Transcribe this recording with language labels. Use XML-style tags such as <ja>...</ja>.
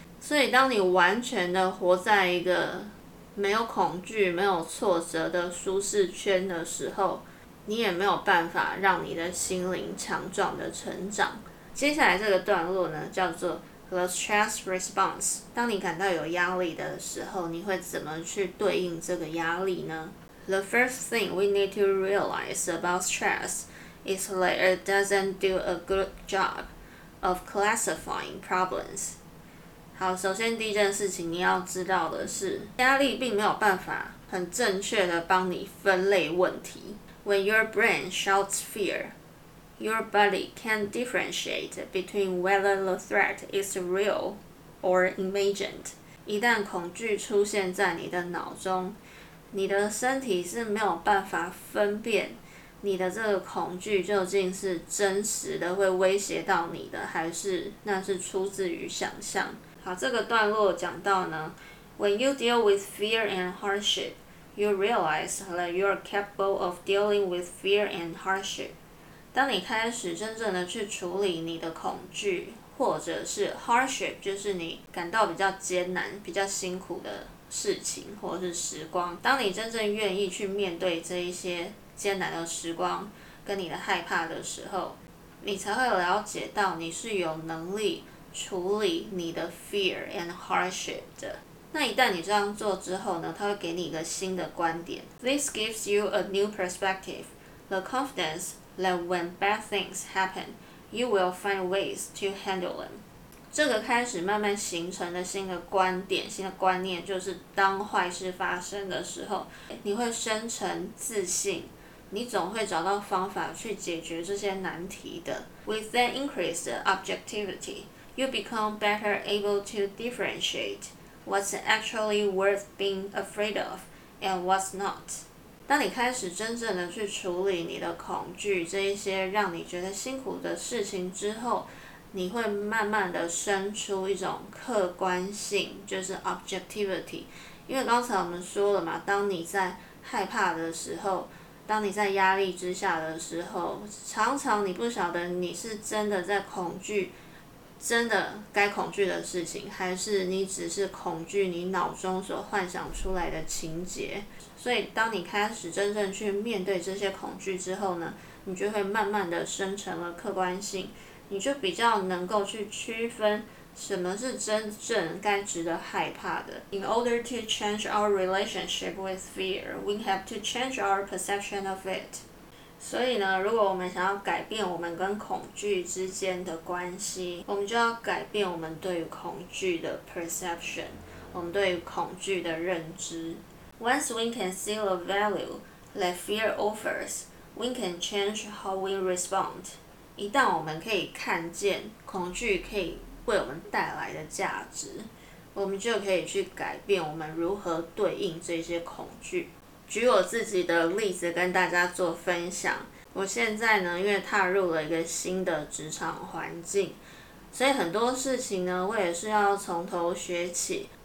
<zh>所以当你完全的活在一个没有恐惧、没有挫折的舒适圈的时候，你也没有办法让你的心灵强壮的成长。接下来这个段落呢，叫做</zh> <en>The Stress Response。</en> <zh>当你感到有压力的时候，你会怎么去对应这个压力呢？</zh> <en>The first thing we need to realize about stress is that it doesn't do a good job of classifying problems。</en> <zh>好，首先第一件事情你要知道的是，压力并没有办法很正确的帮你分类问题。</zh> <en>When your brain shouts fear, your body can't differentiate between whether the threat is real or imagined。</en> <zh>一旦恐惧出现在你的脑中，你的身体是没有办法分辨你的这个恐惧究竟是真实的会威胁到你的，还是那是出自于想象。好，这个段落讲到呢，</zh> <en>When you deal with fear and hardship, you realize that you are capable of dealing with fear and hardship。</en> <zh>当你开始真正的去处理你的恐惧或者是 hardship， 就是你感到比较艰难比较辛苦的事情或是时光，当你真正愿意去面对这一些艰难的时光跟你的害怕的时候，你才会了解到你是有能力处理你的</zh> <en>fear and hardship</en> <zh>的。那一旦你这样做之后呢，它会给你一个新的观点。</zh> <en>This gives you a new perspective, the confidence that when bad things happen, you will find ways to handle them。</en> <zh>这个开始慢慢形成的新的观点、新的观念，就是当坏事发生的时候，你会生成自信，你总会找到方法去解决这些难题的。</zh> <en>With an increased objectivity, you become better able to differentiate what's actually worth being afraid of and what's not.</en> <zh>当你开始真正的去处理你的恐惧，这一些让你觉得辛苦的事情之后，你会慢慢的生出一种客观性，就是 objectivity。因为刚才我们说了嘛，当你在害怕的时候，当你在压力之下的时候，常常你不晓得你是真的在恐惧真的该恐惧的事情，还是你只是恐惧你脑中所幻想出来的情节。所以当你开始真正去面对这些恐惧之后呢，你就会慢慢的生成了客观性，你就比较能够去区分什么是真正该值得害怕的。</zh> <en>In order to change our relationship with fear, we have to change our perception of it.</en> <zh>所以呢，如果我们想要改变我们跟恐惧之间的关系，我们就要改变我们对于恐惧的 perception, 我们对于恐惧的认知。</zh> <en>Once we can see the value that fear offers, we can change how we respond.</en> <zh>一旦我们可以看见恐惧可以为我们带来的价值，我们就可以去改变我们如何对应这些恐惧。举我自己的例子跟大家做分享，我现在呢，因为踏入了一个新的职场环境，所以很多事情呢，我也是要从头学起。</zh>